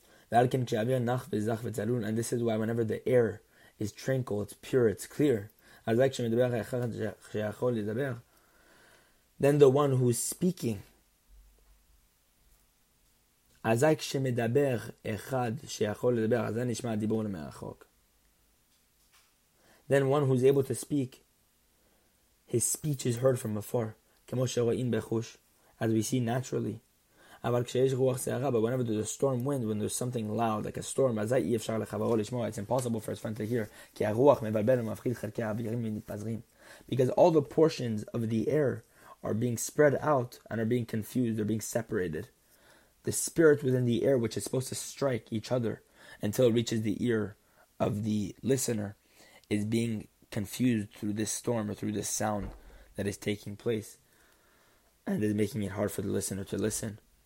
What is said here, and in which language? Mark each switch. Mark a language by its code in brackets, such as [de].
[en] And this is why whenever the air is tranquil, it's pure, it's clear, then the one who is speaking, then one who is able to speak, his speech is heard from afar, [he] כמו שרואים בחוש, [en] as we see naturally. [he] אבל כשיש רוח סערה, [en] but whenever there's a storm wind, when there's something loud, like a storm, [he] אזי אי אפשר לחברו לשמוע, [en] it's impossible for his friend to hear, [he] כי הרוח מבלבל ומפחיד חלקי האווירים ומתפזרים. [en] Because all the portions of the air are being spread out and are being confused, they're being separated. The spirit within the air, which is supposed to strike each other until it reaches the ear of the listener, is being confused through this storm or through this sound that is taking place and is making it hard for the listener to listen.